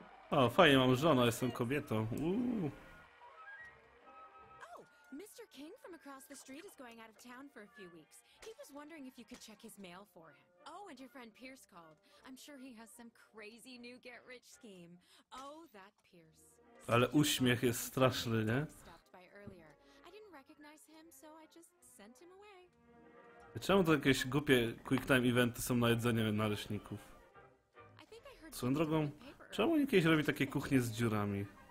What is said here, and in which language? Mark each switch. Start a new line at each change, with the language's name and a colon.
Polish: O, fajnie, mam żonę, jestem kobietą.
English: Oh, Mr. King from across the street is going out of town for a few weeks. He was wondering if you could check his mail for him. Oh, and your friend Pierce called. I'm sure he has some crazy new get rich scheme. Oh, that Pierce.
Polish: Ale uśmiech jest straszny, nie?
English: Stopped by earlier. I didn't recognize him, so I just sent him away.
Polish: Czemu to jakieś głupie quick time eventy są na jedzenie naleśników? Swoją drogą. Czemu on kiedyś robi takie kuchnie z dziurami?